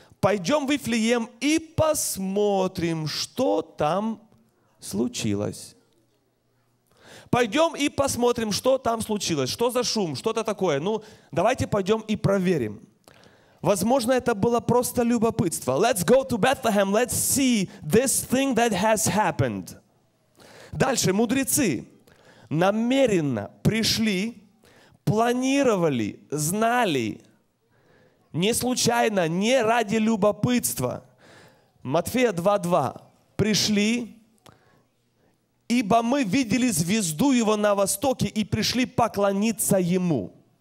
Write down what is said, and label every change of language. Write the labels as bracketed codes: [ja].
[ru] «Пойдем в Вифлеем и посмотрим, что там случилось». «Пойдем и посмотрим, что там случилось». Что за шум, что-то такое. Ну, давайте пойдем и проверим. Возможно, это было просто любопытство. [en] «Let's go to Bethlehem, let's see this thing that has happened». [ru] Дальше, мудрецы намеренно пришли, планировали, знали, не случайно, не ради любопытства. Матфея 2:2. «Пришли, ибо мы видели звезду Его на востоке и пришли поклониться Ему».